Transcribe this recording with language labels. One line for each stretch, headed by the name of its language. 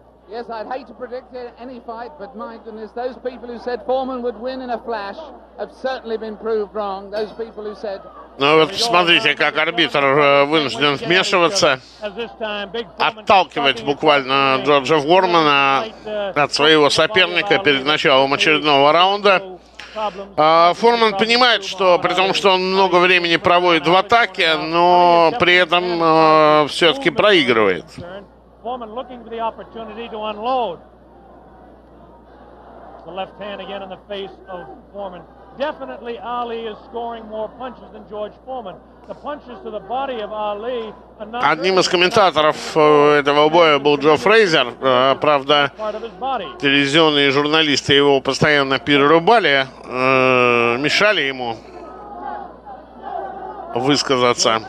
English: Yes, I'd hate to predict any fight, but my goodness, those people who said Foreman would win in a flash have certainly been proved wrong. Those people who said...
Russian: Ну вот смотрите, как арбитр вынужден вмешиваться, отталкивать буквально Джорджа Формана от своего соперника перед началом очередного раунда. Форман понимает, что при том, что он много времени проводит в атаке, но при этом все-таки проигрывает.
English: Foreman looking for the opportunity to unload. The left hand again in the face of Foreman. Definitely Ali is scoring more punches than George Foreman. The punches to the body of Ali are not...
Russian: Одним из комментаторов этого боя был Джо Фрейзер. Правда, телевизионные журналисты его постоянно перерубали, мешали ему высказаться.